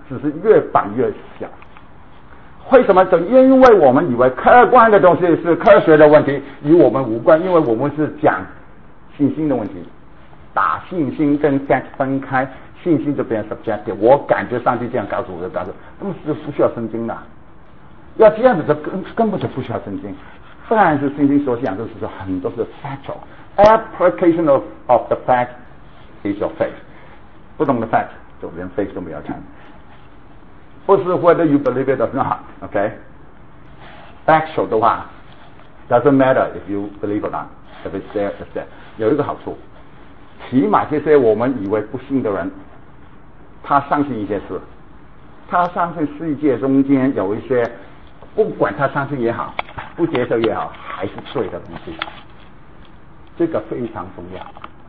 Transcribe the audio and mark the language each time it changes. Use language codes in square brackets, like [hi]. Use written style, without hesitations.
[zh] 只是越绑越小。为什么？就因为我们以为客观的东西是科学的问题，与我们无关，因为我们是讲信心的问题。把信心跟 fact 分开，信心就变成 subjective， 我感觉上帝这样告诉我的，那么就不需要圣经了。要这样子的根本就不需要圣经。当然是圣经所讲的是说很多是 [en] factual application of the fact is your faith， [zh] 不懂的 fact 就连 faith 都没有谈，不是 [en] whether you believe it or not， [zh] OK， factual 的话 [en] doesn't matter if you believe or not， if it's there it's there。 [zh] 有一个好处，起码这些我们以为不信的人，他相信一些事，他相信世界中间有一些不管他相信也好不接受也好还是对的东西，这个非常重要。